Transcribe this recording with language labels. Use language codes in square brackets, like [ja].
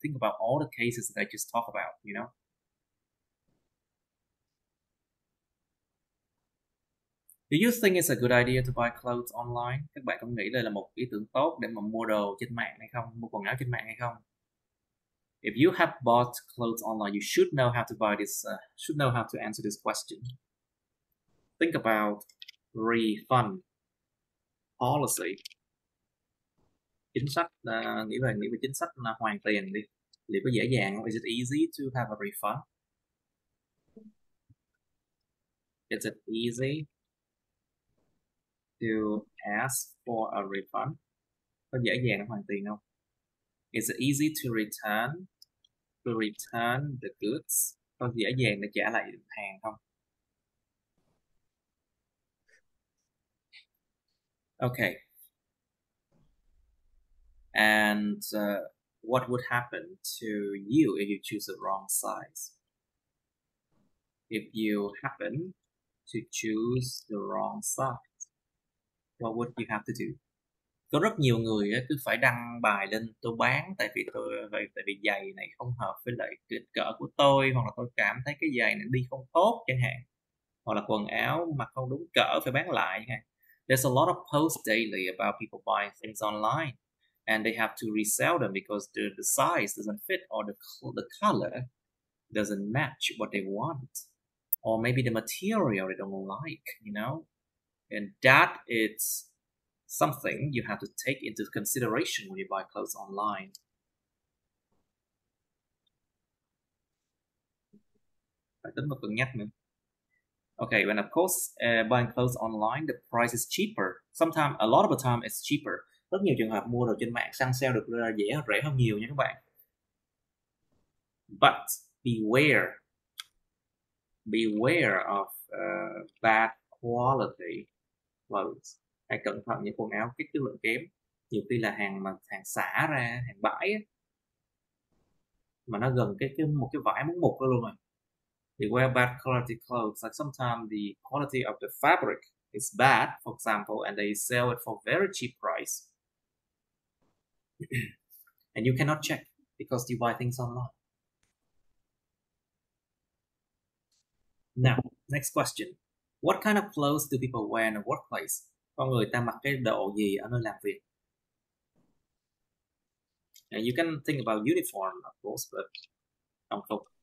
[en] Think about all the cases that I just talked about, you know. Do you think it's a good idea to buy clothes online? [vi] Các bạn có nghĩ đây là một ý tưởng tốt để mà mua đồ trên mạng hay không? Mua quần áo trên mạng hay không? [en] If you have bought clothes online, you should know how to buy this, should know how to answer this question. Think about refund policy. [vi] Chính sách, nghĩ về chính sách là hoàn tiền đi. Liệu có dễ dàng không? [en] Is it easy to have a refund? Is it easy to ask for a refund? [vi] Có dễ dàng hoàn tiền không? [en] Is it easy to return the goods? [vi] Có dễ dàng để trả lại hàng không? [en] Okay. And what would happen to you if you choose the wrong size? If you happen to choose the wrong size, what would you have to do? [vi] Có rất nhiều người cứ phải đăng bài lên tôi bán tại vì giày này không hợp với lại kích cỡ của tôi, hoặc là tôi cảm thấy cái giày này đi không tốt chẳng hạn, hoặc là quần áo mặc không đúng cỡ phải bán lại chẳng hạn. [en] There's a lot of posts daily about people buying things online and they have to resell them because the size doesn't fit, or the color doesn't match what they want, or maybe the material they don't like, you know. And that is something you have to take into consideration when you buy clothes online. Okay, and of course, buying clothes online, the price is cheaper. Sometimes, a lot of the time, it's cheaper. [vi] Rất nhiều trường hợp mua đồ trên mạng, săn sale được dễ hơn, rẻ hơn nhiều nha các bạn. [en] But beware. Beware of bad quality clothes. [vi] Hãy cẩn thận những quần áo kích chất lượng kém. Nhiều khi là hàng mà hàng xả ra, hàng bãi ấy, mà nó gần một cái vải mốc mục luôn rồi. [en] They wear bad quality clothes. Like sometimes the quality of the fabric is bad, for example, and they sell it for very cheap price. And you cannot check because you buy things online. Now, next question. What kind of clothes do people wear in a workplace? [vi] Con người ta mặc cái đồ gì ở nơi làm việc? [en] And you can think about uniform, of course, but [vi] đồng phục.